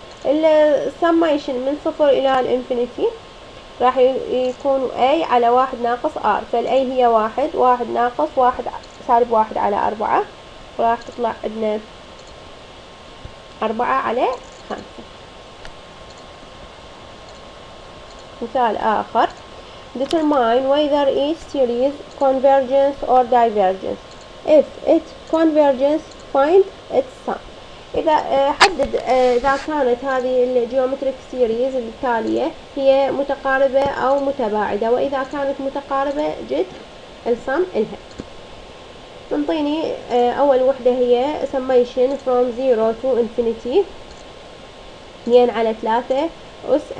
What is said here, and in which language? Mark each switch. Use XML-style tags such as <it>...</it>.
<ar>السمايشن من صفر إلى الانفينيتي راح يكون أي على واحد ناقص آر، فالأي هي واحد، واحد ناقص واحد سالب واحد على أربعة، وراح تطلع عندنا أربعة على خمسة. مثال آخر،</ar> <en>determine whether each series convergence or divergence. If it convergence, find its sum.</en> <ar>إذا حدد إذا كانت هذه الجيومتريك سيريز التالية هي متقاربة أو متباعدة، وإذا كانت متقاربة جد الصم إلها. نعطيني أول وحدة هي</ar> <en>summation from 0 to infinity</en> <ar>2 على 3 أس N.</ar>